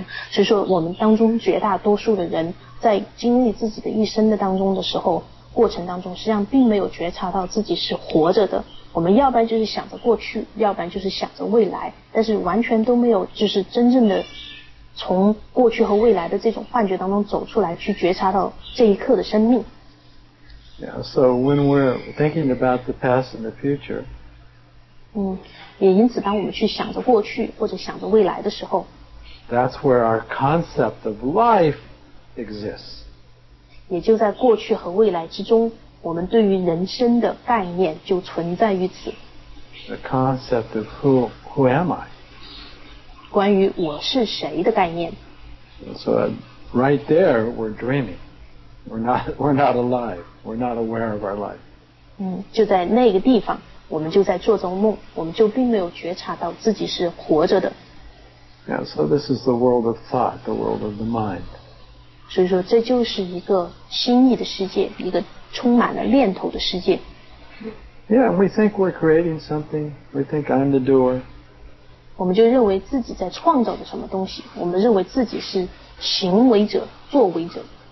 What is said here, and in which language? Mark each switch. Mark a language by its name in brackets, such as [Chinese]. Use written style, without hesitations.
[Chinese] 所以说我们当中绝大多数的人在经历自己的一生的当中的时候，过程当中实际上并没有觉察到自己是活着的，我们要不然就是想着过去，要不然就是想着未来，但是完全都没有就是真正的从过去和未来的这种幻觉当中走出来，去觉察到这一刻的生命。 [English] Yeah, so when we're thinking about the past and the future, [Chinese] 也因此当我们去想着过去或者想着未来的时候， [English] That's where our concept of life exists. [Chinese] 也就在过去和未来之中，我们对于人生的概念就存在于此。 [English] The concept of who am I? [Chinese] 关于我是谁的概念。 [English] So right there we're dreaming. We're not alive. We're not aware of our life. [Chinese] 就在那个地方我们就在做着梦，我们就并没有觉察到自己是活着的。 [English] Yeah, so this is the world of thought, the world of the mind. [Chinese] 所以说这就是一个心意的世界，一个充满了念头的世界。 [English] Yeah, and we think we're creating something. We think I'm the doer. [Chinese] 我们就认为自己在创造着什么东西，我们认为自己是行为者、作为者。